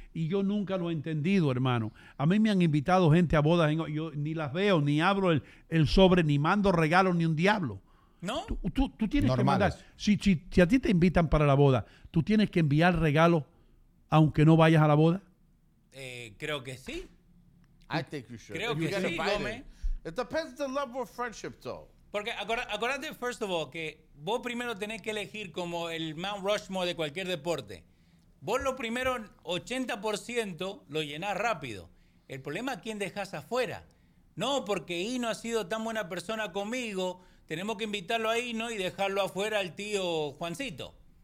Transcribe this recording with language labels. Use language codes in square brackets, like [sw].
[es] Y yo nunca lo he entendido, hermano. A mí me han invitado gente a bodas. Yo ni las veo, ni abro el sobre, ni mando regalo, ni un diablo. ¿No? Tú tienes normales que mandar. Si a ti te invitan para la boda, ¿tú tienes que enviar regalo aunque no vayas a la boda? Creo que sí. [en] I think you should. [es] Creo que sí, Gómez. [en] It depends on the level of friendship, though. [es] Porque acordate, [en] first of all, [es] que vos primero tenés que elegir como el Mount Rushmore de cualquier deporte. Vos lo primero, 80% lo llenás rápido. El problema es quién dejás afuera. No, porque Ino ha sido tan buena persona conmigo, tenemos que invitarlo a Ino y dejarlo afuera al tío Juancito.